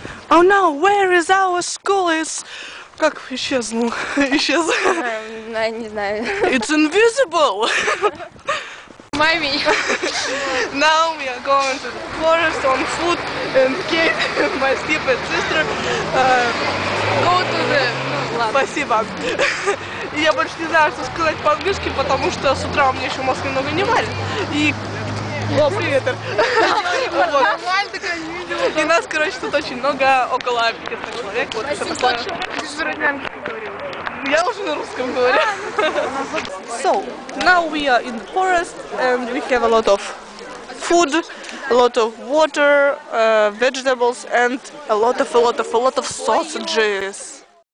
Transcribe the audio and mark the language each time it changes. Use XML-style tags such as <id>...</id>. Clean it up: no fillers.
<en>Oh no, where is our school? It's...</en> <ru>Как исчезло? Исчезло? Я не знаю.</ru> <en>It's invisible!</en> <ru>Мами!</ru> <en>Now we are going to the forest on foot, and Kate, my stupid sister, go to the...</en> <ru>Спасибо. Я больше не знаю, что сказать по-английски, потому что с утра у меня еще мозг немного не варит. И... О, привет! Нормально, конечно. И нас, короче, тут очень много, около 500 человек. Вот это такое. Ты же на русском говорил. Я уже на русском говорю.</ru> <en>So, now we are in the forest and we have a lot of food, a lot of water, vegetables and a lot of sausages.</en>